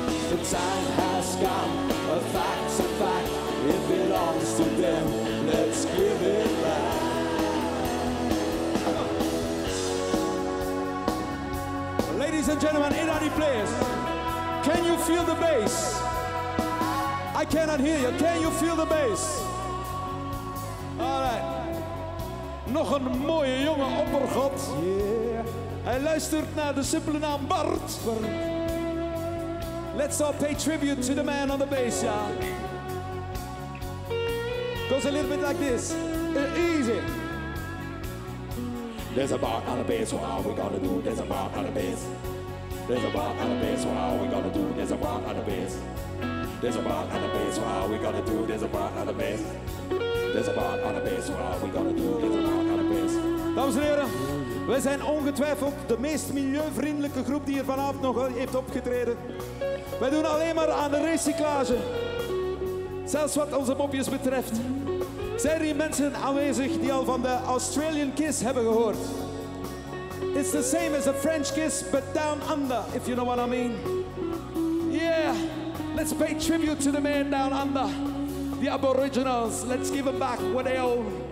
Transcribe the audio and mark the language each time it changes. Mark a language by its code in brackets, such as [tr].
[en] The time has come, a fact, it belongs to them, let's give it back. Ladies and gentlemen, Irani players, can you feel the bass? I cannot hear you, can you feel the bass? [nl] Nog een mooie jonge oppergod. [en] Yeah. [nl] Hij luistert naar de simpele naam Bart. Bart. [en] Let's all pay tribute to the man on the bass, yeah. Goes a little bit like this. Easy. There's a Bart on the bass, what are we gonna do? There's a Bart on the bass. There's a Bart on the bass, what are we gonna do? There's a Bart on the bass. There's a Bart on the bass, what are we gonna do? There's a Bart on the bass. There's a Bart on the bass, what are we gonna do? [nl] Dames en heren, we zijn ongetwijfeld de meest milieuvriendelijke groep die hier vanavond nog heeft opgetreden. Wij doen alleen maar aan de recyclage. Zelfs wat onze mopjes betreft. Zijn er hier mensen aanwezig die al van de Australian Kiss hebben gehoord? [en] It's the same as a French Kiss, but down under, if you know what I mean. Yeah, let's pay tribute to the man down under. The Aboriginals, let's give them back what they owe.